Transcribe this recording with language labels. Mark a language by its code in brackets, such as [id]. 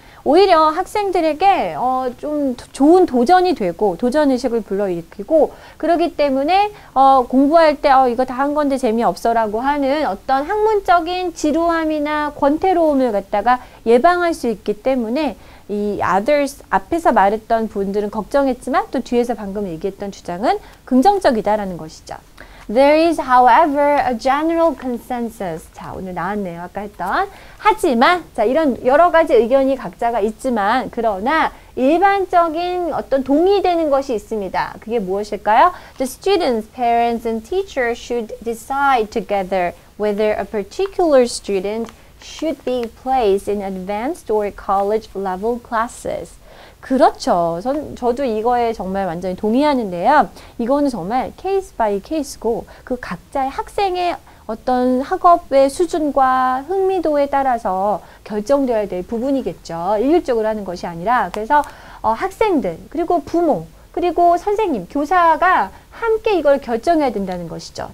[ko] 오히려 학생들에게 좀 좋은 도전이 되고 도전의식을 불러일으키고 그러기 때문에 공부할 때 이거 다 한 건데 재미없어 라고 하는 어떤 학문적인 지루함이나 권태로움을 갖다가 예방할 수 있기 때문에 이 others 앞에서 말했던 분들은 걱정했지만 또 뒤에서 방금 얘기했던 주장은 긍정적이다라는 것이죠. [en] There is, however, a general consensus. [ko] 자, 오늘 나왔네요. 아까 했던. 하지만, 자, 이런 여러 가지 의견이 각자가 있지만, 그러나 일반적인 어떤 동의되는 것이 있습니다. 그게 무엇일까요? [en] The students, parents, and teachers should decide together whether a particular student should be placed in advanced or college level classes. [ko] 그렇죠. 저도 이거에 정말 완전히 동의하는데요. 이거는 정말 케이스 바이 케이스고 그 각자의 학생의 어떤 학업의 수준과 흥미도에 따라서 결정되어야 될 부분이겠죠. 일률적으로 하는 것이 아니라. 그래서 학생들, 그리고 부모, 그리고 선생님, 교사가 함께 이걸 결정해야 된다는 것이죠.